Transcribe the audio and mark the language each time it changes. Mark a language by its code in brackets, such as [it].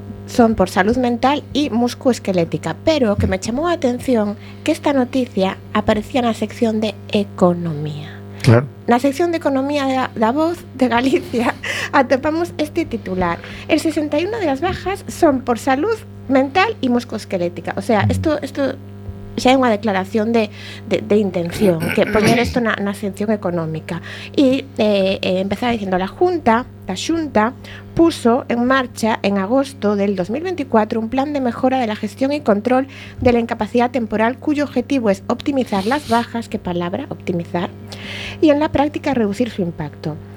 [es] son por salud mental y musculoesquelética, [gl] pero que me chamou a atención que esta noticia aparecía na sección de economía. Claro. Na sección de economía da Voz de Galicia atopamos este titular: [es] el 61 de las bajas son por salud mental y musculoesquelética. [gl] O sea, esto xa é unha declaración de intención, que poñer isto na sección económica. E empezaba dicendo, [es] a Xunta puso en marcha en agosto del 2024 un plan de mejora de la gestión y control de la incapacidad temporal, cuyo objetivo es optimizar las bajas, qué palabra, optimizar, y en la práctica reducir su impacto.